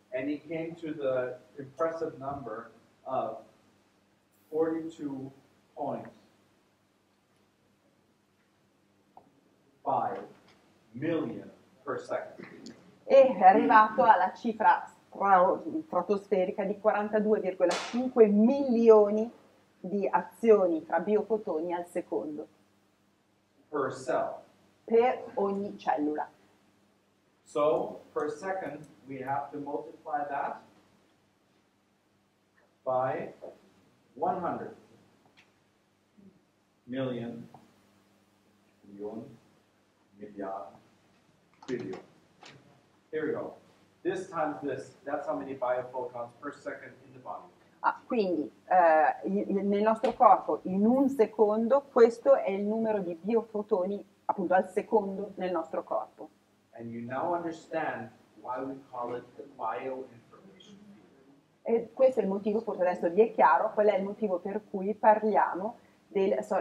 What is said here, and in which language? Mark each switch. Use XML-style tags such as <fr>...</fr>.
<en>And he came to the impressive number of 42.5 million per second.</en> <it>E è arrivato alla cifra stratosferica di 42,5 milioni di azioni tra biofotoni al secondo.</it> <en>Per cell.</en> <it>Per ogni cellula.</it> <en>So per second we have to multiply that by 100 million, million, miliard, billion. Here we go. This times this, that's how many biophotons per second in the body.</en> <it>Ah, quindi nel nostro corpo in un secondo questo è il numero di biofotoni appunto al secondo nel nostro corpo.</it> <en>And you now understand why we call it the bioinformation field.</en> <it>E questo è il motivo, forse adesso vi è chiaro qual è il motivo per cui parliamo del</it>